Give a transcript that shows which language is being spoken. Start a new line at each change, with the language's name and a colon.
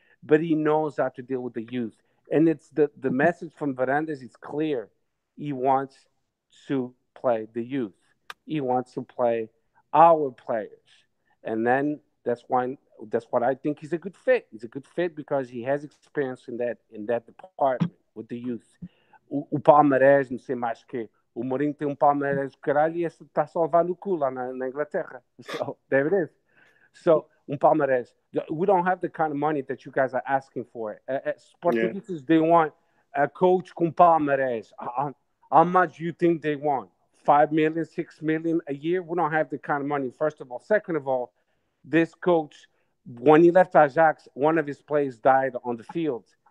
English: But he knows how to deal with the youth. And it's the message from Verandes is clear. He wants to play the youth. He wants to play our players. And then that's what I think he's a good fit. He's a good fit because he has experience in that department with the youth.
Portuguese: O Palmeiras, não sei mais que. O Mourinho tem Palmeiras do caralho e essa está a salvar no cu lá na Inglaterra.
English: So, there it is. So, Palmeiras. We don't have the kind of money that you guys are asking for. Sportingistas, yeah. They want a coach
Portuguese: com Palmeiras.
English: How much do you think they want? 5 million, 6 million a year? We don't have the kind of money, first of all. Second of all, this coach, when he left Ajax, one of his players died on the field.